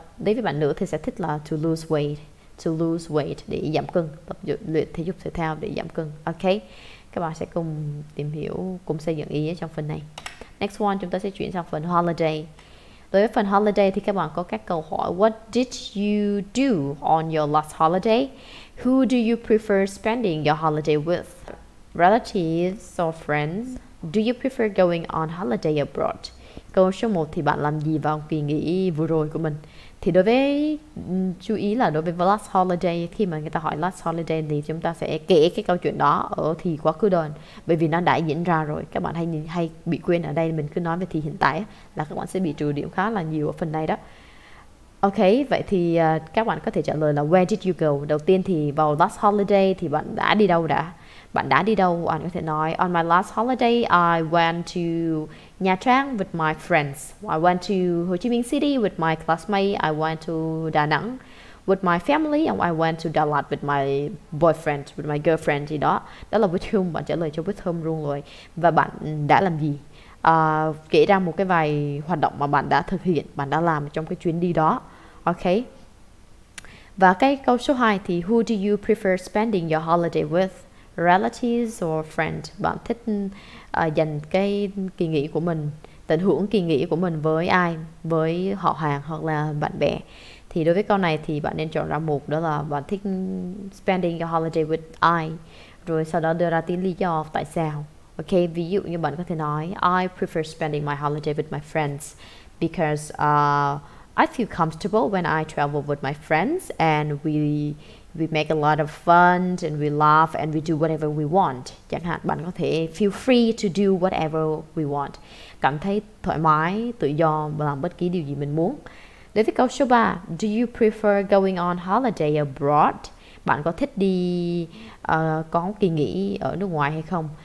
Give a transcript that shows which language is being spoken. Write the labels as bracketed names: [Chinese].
[Vietnamese] Đối với bạn nữ thì sẽ thích là [English] to lose weight [Vietnamese] để giảm cân, tập luyện thể dục thể thao để giảm cân. Ok, các bạn sẽ cùng tìm hiểu, cùng xây dựng ý trong phần này. [English] Next one, [Vietnamese] chúng ta sẽ chuyển sang phần holiday. Đối với phần holiday thì các bạn có các câu hỏi: [English] What did you do on your last holiday? Who do you prefer spending your holiday with? Relatives or friends? Do you prefer going on holiday abroad? [Vietnamese] Câu số 1 thì bạn làm gì vào kỳ nghỉ vừa rồi của mình? Thì đối với chú ý là đối với last holiday, khi mà người ta hỏi last holiday thì chúng ta sẽ kể cái câu chuyện đó ở thì quá khứ đơn, bởi vì nó đã diễn ra rồi. Các bạn hay bị quên ở đây, mình cứ nói về thì hiện tại là các bạn sẽ bị trừ điểm khá là nhiều ở phần này đó. Ok, vậy thì các bạn có thể trả lời là [English] where did you go? [Vietnamese] Đầu tiên thì vào last holiday thì bạn đã đi đâu đã? Bạn đã đi đâu? Bạn có thể nói [English] on my last holiday I went to Nha Trang with my friends. I went to Ho Chi Minh City with my classmates. I went to Đà Nẵng with my family. And I went to Đà Lạt with my boyfriend, with my girlfriend. [Vietnamese] Thì đó, đó là with whom. Bạn trả lời cho with whom luôn rồi. Và bạn đã làm gì? Kể ra một cái vài hoạt động mà bạn đã thực hiện, bạn đã làm trong cái chuyến đi đó. Ok. Và cái câu số 2 thì [English] who do you prefer spending your holiday with? Relatives or friends? [Vietnamese] Bạn thích dành cái kỳ nghỉ của mình, tận hưởng kỳ nghỉ của mình với ai? Với họ hàng hoặc là bạn bè. Thì đối với câu này thì bạn nên chọn ra một, đó là bạn thích [English] spending your holiday with [Vietnamese] ai, rồi sau đó đưa ra tiếng lý do tại sao. [English] Ok, ví dụ như bạn có thể nói I prefer spending my holiday with my friends because I feel comfortable when I travel with my friends and we make a lot of fun and we laugh and we do whatever we want. [Vietnamese] Chẳng hạn bạn có thể [English] feel free to do whatever we want. [Vietnamese] Cảm thấy thoải mái, tự do và làm bất kỳ điều gì mình muốn. Đối với câu số 3, [English] do you prefer going on holiday abroad? [Vietnamese] Bạn có thích đi có kỳ nghỉ ở nước ngoài hay không?